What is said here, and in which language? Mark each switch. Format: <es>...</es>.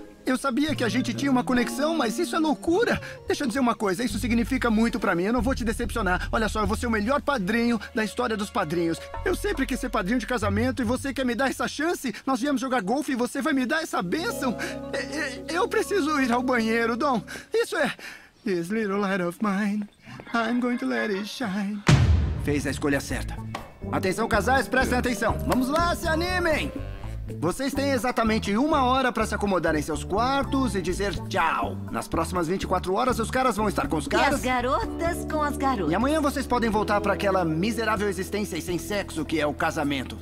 <pt>Eu sabia que a gente tinha uma conexão, mas isso é loucura. Deixa eu dizer uma coisa, isso significa muito pra mim. Eu não vou te decepcionar. Olha só, eu vou ser o melhor padrinho da história dos padrinhos. Eu sempre quis ser padrinho de casamento e você quer me dar essa chance? Nós viemos jogar golfe e você vai me dar essa bênção? Eu preciso ir ao banheiro, Dom. Isso é...</pt> <en>This little light of mine, I'm going to let it shine.</en> <pt>Fez a escolha certa. Atenção, casais, prestem atenção. Vamos lá, se animem! Vocês têm exatamente uma hora para se acomodar em seus quartos e dizer tchau. Nas próximas 24 horas, os caras vão estar com os caras... E as garotas com as garotas. E amanhã vocês podem voltar para aquela miserável existência e sem sexo que é o casamento.</pt>